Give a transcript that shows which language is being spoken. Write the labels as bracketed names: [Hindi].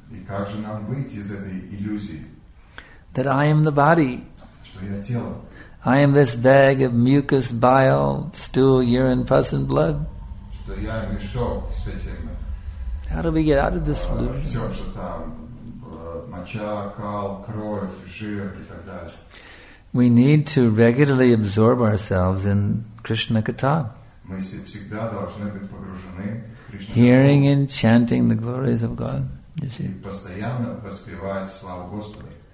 [Russian] И как же нам выйти из этой иллюзии? [English] That I am the body. [Russian] Что я тело. [English] I am this bag of mucus, bile, stool, urine, pus and blood. [Russian] Что я мешок с этим. [English] How do we get out of this illusion? [Russian] Все, что там, моча, кал, кровь, жир и так далее. [English] We need to regularly absorb ourselves in Krishna Katha. [Russian] Мы всегда должны быть погружены в Кришна. [English] Hearing and chanting the glories of God. [Russian] И постоянно воспевать славу Господа.